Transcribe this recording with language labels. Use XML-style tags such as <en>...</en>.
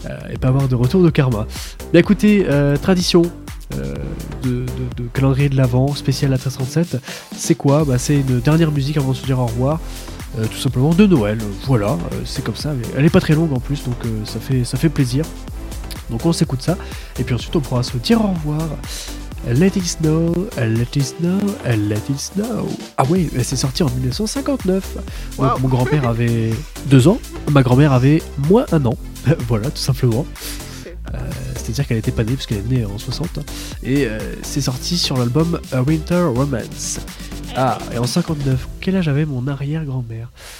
<fr>Et pas avoir de retour de karma. Mais écoutez, tradition de calendrier de l'Avent, spécial à 337, c'est quoi? Bah, c'est une dernière musique avant de se dire au revoir. Tout simplement de Noël, voilà, c'est comme ça, mais elle est pas très longue en plus, donc ça fait plaisir. Donc on s'écoute ça, et puis ensuite on pourra se dire au revoir.</fr> <en>Let it snow, let it snow, let it snow.</en> <fr>Ah oui, mais c'est sorti en 1959. Wow. Donc, mon grand-père avait 2 ans, ma grand-mère avait moins 1 an, voilà, tout simplement. C'est-à-dire qu'elle n'était pas née, parce qu'elle est née en 60, et c'est sorti sur l'album A Winter Romance. Ah, et en 59, quel âge avait mon arrière-grand-mère?</fr>